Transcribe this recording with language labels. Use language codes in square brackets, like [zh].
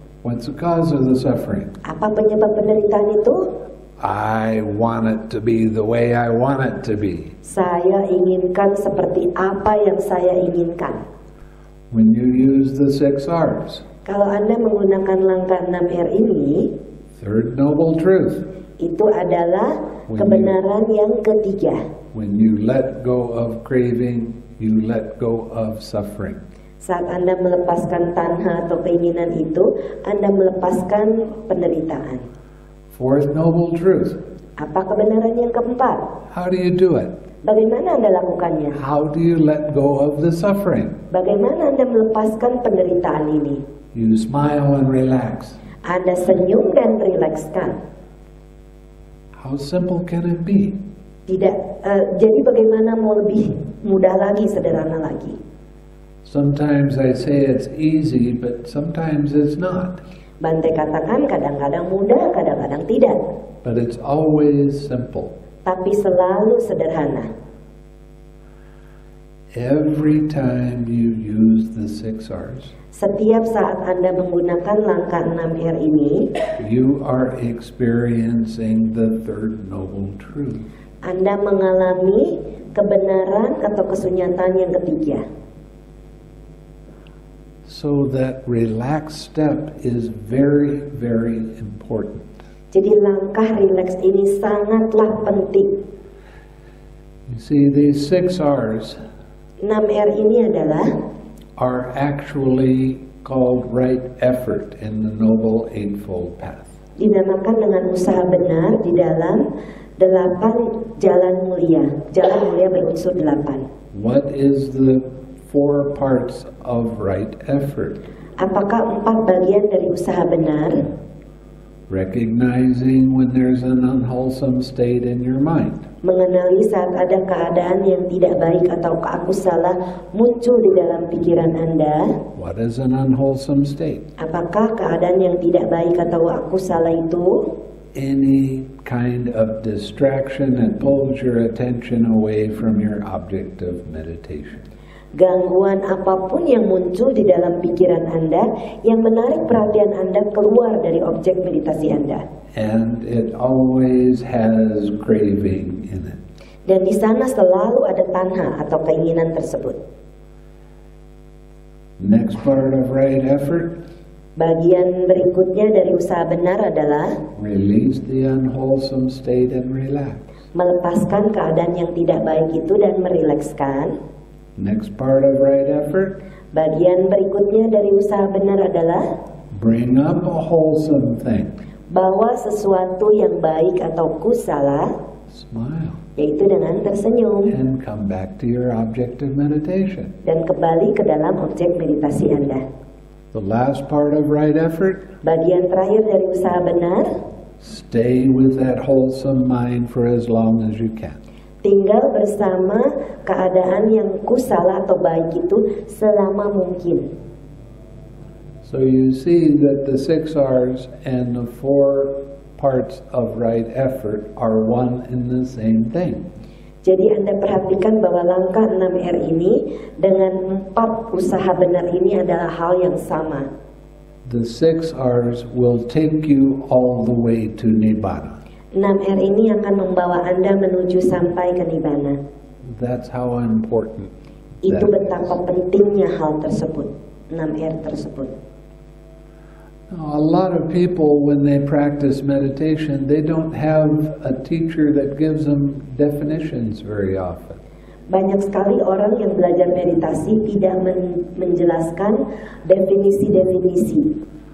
[en] What's the cause of the suffering? [id] Apa penyebab penderitaan itu? [en] I want it to be the way I want it to be. [id] Saya inginkan seperti apa yang saya inginkan. [en] When you use the six R's. [id] Kalau Anda menggunakan langkah 6 R ini, [en] third noble truth. [id] Itu adalah kebenaran yang ketiga. [en] When you let go of craving, you let go of suffering. [id] Saat Anda melepaskan tanha atau keinginan itu, Anda melepaskan penderitaan. [en] Fourth noble truth. [id] Apa kebenaran yang keempat? [en] How do you do it? [id] Bagaimana Anda lakukannya? [en] How do you let go of the suffering? [id] Bagaimana Anda melepaskan penderitaan ini? [en] You smile and relax. [id] Anda senyum dan rilekskan. [en] How simple can it be? [id] Tidak, jadi bagaimana mau lebih mudah lagi, sederhana lagi? [en] Sometimes I say it's easy, but sometimes it's not. [id] Bante katakan kadang-kadang mudah, kadang-kadang tidak. [en] But it's always simple. [id] Tapi selalu sederhana. [en] Every time you use the six R's. [id] Setiap saat Anda menggunakan langkah 6 R ini, [en] you are experiencing the third noble truth. [id] Anda mengalami kebenaran atau kesunyatan yang ketiga. [en] So that relaxed step is very, very important. [id] Jadi langkah relax ini sangatlah penting. [en] You see, these six R's. [id] 6 R ini adalah. [en] Are actually called right effort in the Noble Eightfold Path. [id] Dinamakan dengan usaha benar di dalam delapan jalan mulia. Jalan mulia berunsur delapan. [en] What is the four parts of right effort? [id] Apakah empat bagian dari usaha benar? [en] Recognizing when there's an unwholesome state in your mind. [id] Mengenali saat ada keadaan yang tidak baik atau aku salah muncul di dalam pikiran Anda. [en] What is an unwholesome state? [id] Apakah keadaan yang tidak baik atau aku salah itu? [en] Any kind of distraction that pulls your attention away from your object of meditation. [id] Gangguan apapun yang muncul di dalam pikiran Anda yang menarik perhatian Anda keluar dari objek meditasi Anda. [en] And it always has craving in it. [id] Dan di sana selalu ada tanha atau keinginan tersebut. [en] Next part of right effort. [id] Bagian berikutnya dari usaha benar adalah [en] release the unwholesome state and relax. [id] Melepaskan keadaan yang tidak baik itu dan merilekskan. [en] Next part of right effort. [id] Bagian berikutnya dari usaha benar adalah [en] bring up a wholesome thing. [id] Bawa sesuatu yang baik atau kusalah. [en] Smile. [id] Yaitu dengan tersenyum. [en] And come back to your object of meditation. [id] Dan kembali ke dalam objek meditasi Anda. [en] The last part of right effort. [id] Bagian terakhir dari usaha benar. [en] Stay with that wholesome mind for as long as you can. [id] Tinggal bersama keadaan yang kusalah atau baik itu selama mungkin. [en] So you see that the six R's and the four parts of right effort are one in the same thing. [id] Jadi Anda perhatikan bahwa langkah 6 R ini dengan empat usaha benar ini adalah hal yang sama. [en] The six R's will take you all the way to Nibbana. [id] 6 R ini akan membawa Anda menuju sampai ke Nibbana. [en] That's how important. [id] Itu betapa pentingnya hal tersebut, 6 R tersebut. [en] Now, a lot of people, when they practice meditation, they don't have a teacher that gives them definitions very often. [id] Banyak sekali orang yang belajar meditasi tidak menjelaskan definisi-definisi.